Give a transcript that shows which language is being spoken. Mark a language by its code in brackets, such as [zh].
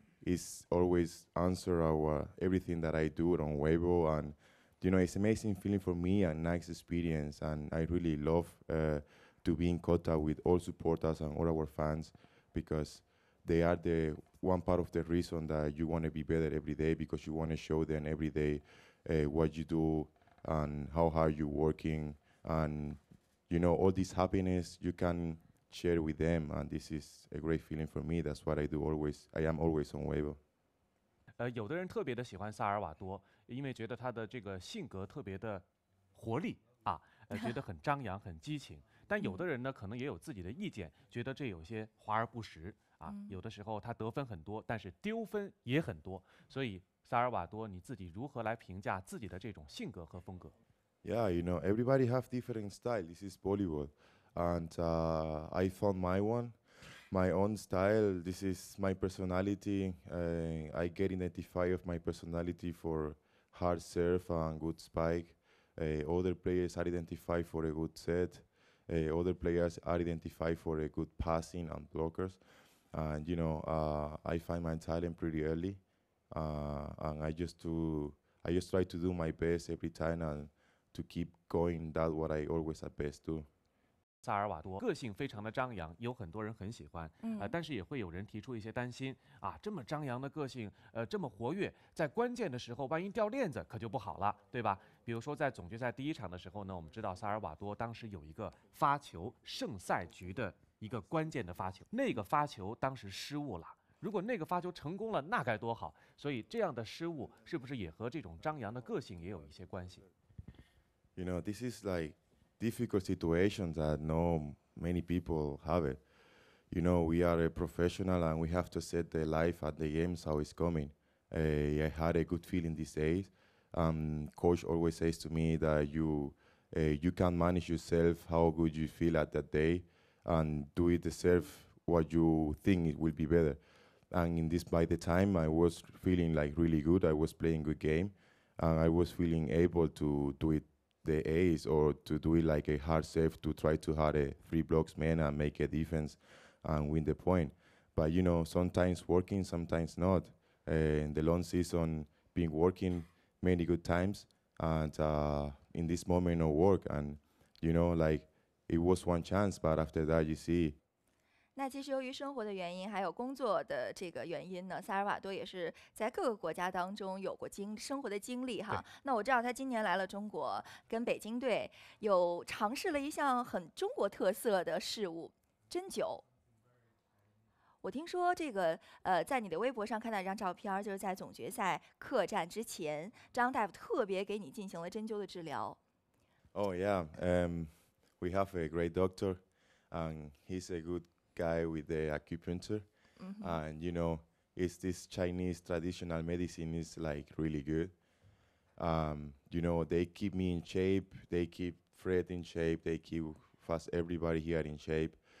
[en] is always answer our everything that I do on Weibo, and you know, it's amazing feeling for me, a nice experience, and I really love to be in contact with all supporters and all our fans, because they are the one part of the reason that you want to be better every day, because you want to show them every day what you do and how hard you're working, and you know, all this happiness you can share with them, and this is a great feeling for me. That's what I do always. I am always on Weibo. [zh] 有的人特别的喜欢萨尔瓦多，因为觉得他的这个性格特别的活力啊，觉得很张扬、很激情。但有的人呢，可能也有自己的意见，觉得这有些华而不实啊。有的时候他得分很多，但是丢分也很多。所以萨尔瓦多，你自己如何来评价自己的这种性格和风格？ [en] Yeah, you know, everybody have different style. This is Bollywood. And I found my one, my own style. This is my personality. I get identified of my personality for hard serve and good spike. Other players are identified for a good set. Other players are identified for a good passing and blockers. And, you know, I find my talent pretty early. And I just try to do my best every time and to keep going, that what I always at best do. [zh] 萨尔瓦多个性非常的张扬，有很多人很喜欢，但是也会有人提出一些担心啊，这么张扬的个性，这么活跃，在关键的时候万一掉链子可就不好了，对吧？比如说在总决赛第一场的时候呢，我们知道萨尔瓦多当时有一个发球胜赛局的一个关键的发球，那个发球当时失误了，如果那个发球成功了那该多好。所以这样的失误是不是也和这种张扬的个性也有一些关系？ [en] You know, this is like difficult situation that no many people have it. You know, we are a professional and we have to set the life at the games how it's coming. I had a good feeling these days. Coach always says to me that you can manage yourself how good you feel at that day and do it yourself what you think it will be better. And in this, by the time I was feeling like really good, I was playing good game and I was feeling able to do it the ace or to do it like a hard save to try to hard a three blocks man and make a defense and win the point. But you know, sometimes working, sometimes not. In the long season, been working many good times and in this moment no work. And you know, like it was one chance, but after that you see. [zh] 那其实由于生活的原因还有工作的这个原因呢，萨尔瓦多也是在各个国家当中有过生活的经历哈。那我知道他今年来了中国，跟北京队有尝试了一项很中国特色的事物，针灸。我听说这个在你的微博上看到一张照片，就是在总决赛客战之前，张大夫特别给你进行了针灸的治疗。 [en] Oh yeah, we have a great doctor, and he's a good guy with the acupuncture, and you know, it's this Chinese traditional medicine is like really good. You know, they keep me in shape, they keep Fred in shape, they keep fast everybody here in shape.